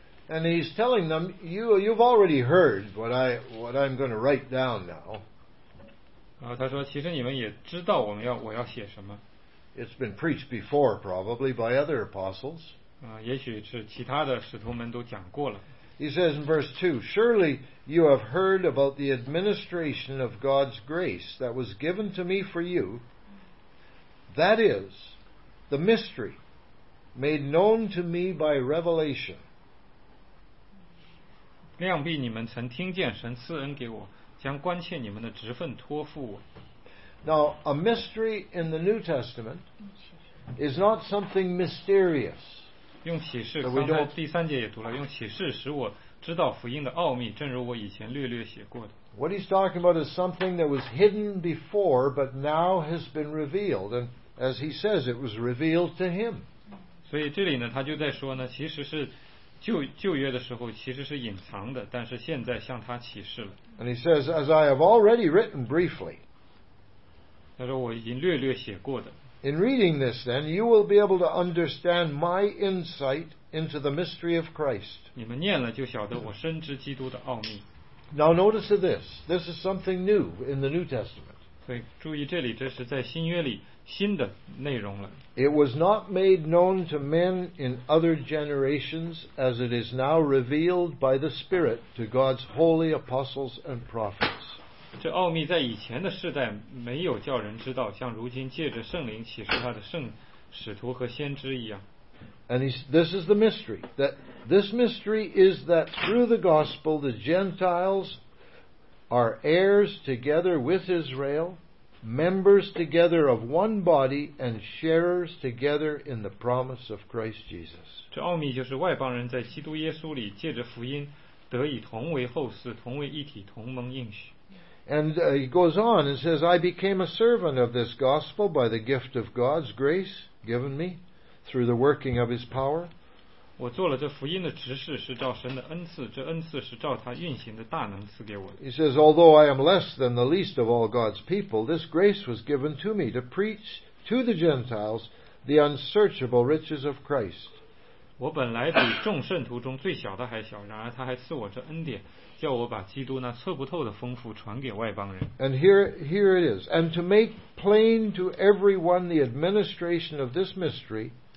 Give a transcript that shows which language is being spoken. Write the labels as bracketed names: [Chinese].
[English] And he's telling them, you've already heard what I'm going to write down now. [Chinese] 然后他说，其实你们也知道我要写什么。 [English] It's been preached before, probably by other apostles. [Chinese] 也许是其他的使徒们都讲过了。 [English] He says in verse 2, Surely you have heard about the administration of God's grace that was given to me for you. That is, the mystery made known to me by revelation. [Chinese] 量必你们曾听见神赐恩给我，将关切你们的职分托付我。 [English] Now, a mystery in the New Testament is not something mysterious. [Chinese] 用启示，刚才第三节也读了，用启示使我知道福音的奥秘，正如我以前略略写过的。 [English] What he's talking about is something that was hidden before, but now has been revealed, and as he says, it was revealed to him. [Chinese] 所以这里呢，他就在说呢，其实是旧约的时候其实是隐藏的，但是现在向他启示了。 [English] And he says, as I have already written briefly. [Chinese] 他说我已经略略写过的。 [English] In reading this, then, you will be able to understand my insight into the mystery of Christ. [Chinese] 你们念了就晓得我深知基督的奥秘。 [English] Now notice this. This is something new in the New Testament. [Chinese] 所以注意这里，这是在新约里新的内容了。 [English] It was not made known to men in other generations as it is now revealed by the Spirit to God's holy apostles and prophets. [Chinese] 这奥秘在以前的世代没有叫人知道，像如今借着圣灵启示他的圣使徒和先知一样。 [English] And this is the mystery. That this mystery is that through the gospel, the Gentiles are heirs together with Israel, members together of one body, and sharers together in the promise of Christ Jesus. [Chinese] 这奥秘就是外邦人在基督耶稣里借着福音得以同为后嗣，同为一体，同蒙应许。 [English] And he goes on and says, I became a servant of this gospel by the gift of God's grace given me. Through the working of His power, [Chinese] 我做了这福音的执事，是照神的恩赐。这恩赐是照他运行的大能赐给我的。 [English] He says, although I am less than the least of all God's people, this grace was given to me to preach to the Gentiles the unsearchable riches of Christ. [Chinese] 我本来比众圣徒中最小的还小，然而他还赐我这恩典，叫我把基督那测不透的丰富传给外邦人。 [English] And here it is, and to make plain to everyone the administration of this mystery.